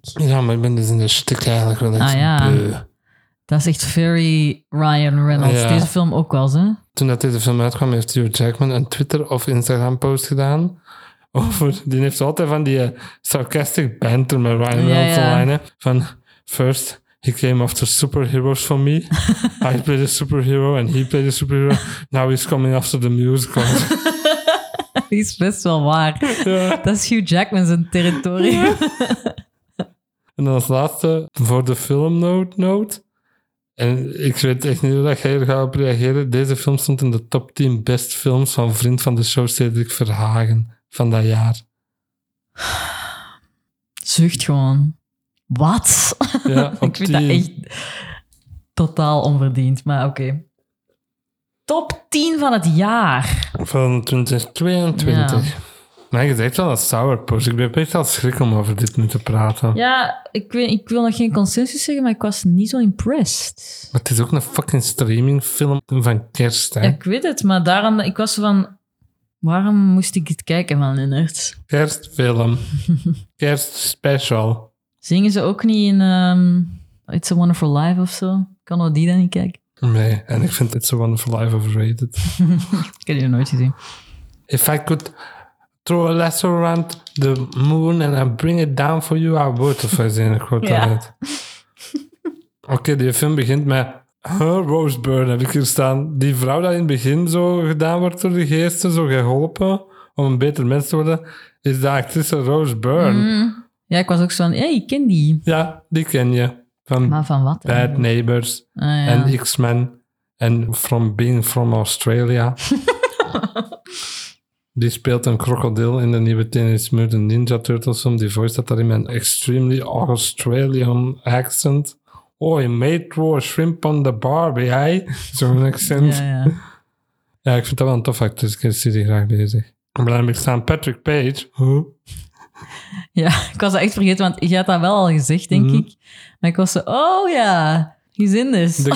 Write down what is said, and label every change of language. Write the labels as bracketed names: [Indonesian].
[Dutch] Ja, maar ik ben dus in de stuk eigenlijk wel echt Dat is echt very Ryan Reynolds. Ja. Deze film ook wel, hè? Toen dat deze film uitkwam, heeft Hugh Jackman een Twitter- of Instagram-post gedaan. Over, die heeft altijd van die [English] sarcastic banter [Dutch] met Ryan Reynolds online. Van, [English] first... He came after superheroes for me. I played a superhero and he played a superhero. Now he's coming after the musical. [Dutch] Die is best wel waar. Ja. Dat is Hugh Jackman zijn territorium. Ja. En dan als laatste, voor de film note. En ik weet echt niet hoe jij er gaat op reageren. Deze film stond in de top 10 best films van vriend van de show Cedric Verhagen van dat jaar. Zucht gewoon. Wat? Ja, ik vind 10. Dat echt totaal onverdiend, maar oké. Top 10 van het jaar. Van 2022. Ja. Maar je zegt wel een sourpuss. Ik ben echt al schrik om over dit nu te praten. Ja, ik wil nog geen consensus zeggen, maar ik was niet zo impressed. Maar het is ook een fucking streamingfilm van kerst, hè? Ja, ik weet het, maar daarom... Ik was van... Waarom moest ik het kijken van Lennart? Kerstfilm. Kerst special. Zingen ze ook niet in It's a Wonderful Life of zo? Kan al die dan niet kijken? Nee, en ik vind It's a Wonderful Life overrated. Ik heb die nog nooit gezien. [English] If I could throw a lasso around the moon and I bring it down for you, I would, [Dutch] of I zin, ik word daaruit. Oké, die film begint met Rose Byrne, heb ik hier staan. Die vrouw die in het begin zo gedaan wordt door de geesten, zo geholpen om een beter mens te worden, is de actrice Rose Byrne. Mm. Ja, ik was ook zo van, hey, ik ken die. Ja, die ken je. Van wat? Bad Neighbors en X-Men. En [English] from being from Australia. [Dutch] Die speelt een krokodil in de nieuwe Teenage Mutant Ninja Turtles film. Die voice dat daarin met een [English] extremely Australian accent. Oh, je made raw shrimp on the barbie, hey? [Dutch] Zo'n accent. Ja, ja. Ja, ik vind dat wel een tof actus. Ik zie die graag bezig. En dan heb ik staan Patrick Page. Huh? Ja, ik was dat echt vergeten, want je had dat wel al gezegd, denk ik. Maar ik was zo, oh ja, [English] he's in this.